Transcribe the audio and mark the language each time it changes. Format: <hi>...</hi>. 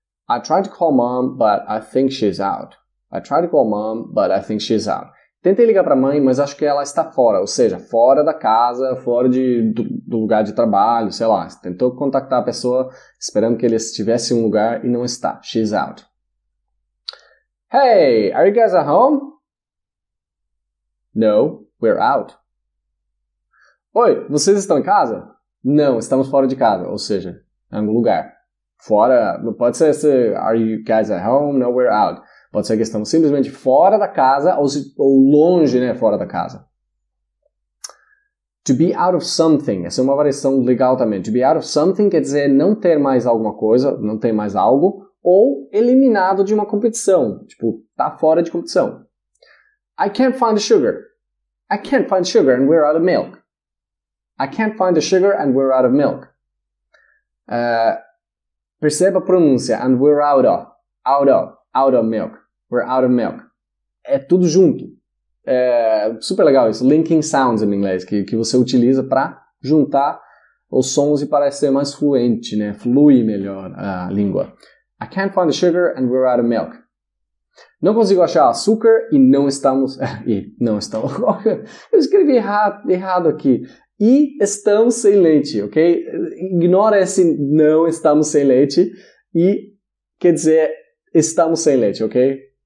<en>I tried to call mom, but I think she's out. I tried to call mom, but I think she's out.</en> <pt>Tentei ligar para mãe, mas acho que ela está fora. Ou seja, fora da casa, fora do lugar de trabalho, sei lá. Tentou contactar a pessoa, esperando que ele estivesse em um lugar e não está.</pt> <en>She's out. Hey, are you guys at home? No, we're out.</en> <pt>Oi, vocês estão em casa? Não, estamos fora de casa. Ou seja, em algum lugar. Fora, pode ser esse,</pt> <en>are you guys at home? No, we're out.</en> <pt>Pode ser que estamos simplesmente fora da casa ou longe, né, fora da casa. To be out of something. Essa é uma variação legal também. To be out of something quer dizer não ter mais alguma coisa, não ter mais algo, ou eliminado de uma competição. Tipo, tá fora de competição.</pt> <en>I can't find the sugar. I can't find sugar and we're out of milk. I can't find the sugar and we're out of milk.</en> <pt>Perceba a pronúncia.</pt> <en>And we're out of. Out of. Out of milk. We're out of milk.</en> <pt>É tudo junto. É super legal isso. Linking sounds em inglês. Que você utiliza para juntar os sons e parecer mais fluente, né? Fluir melhor a língua.</pt> <en>I can't find the sugar and we're out of milk.</en> <pt>Não consigo achar açúcar e não estamos... E não estamos... Eu escrevi errado aqui. E estamos sem leite, ok? Ignora esse não estamos sem leite. E quer dizer estamos sem leite, ok?</pt>